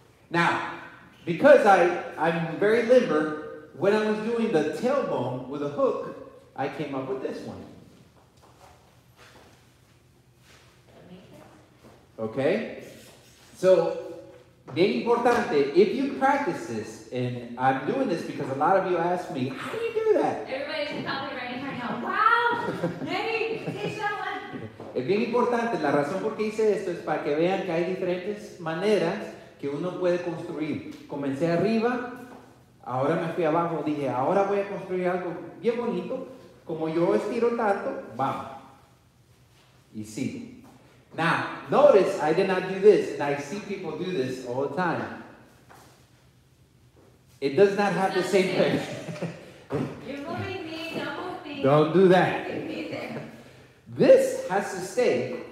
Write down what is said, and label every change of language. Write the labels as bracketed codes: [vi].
[en] Now, because I'm very limber, when I was doing the tailbone with a hook, I came up with this one. Okay? So, [es] bien importante, [en] if you practice this, and I'm doing this because a lot of you ask me, how do you do that? Everybody's probably right now. Wow! Nery, teach that one! [es] Es bien importante, la razón por qué hice esto es para que vean que hay diferentes maneras que uno puede construir. Comencé arriba, ahora me fui abajo, dije, ahora voy a construir algo bien bonito. Como yo estiro tanto, vamos. Y sigo. [en] Now, notice I did not do this, and I see people do this all the time. It does not have the same thing. You're moving me, not moving. Don't do that. This has to stay.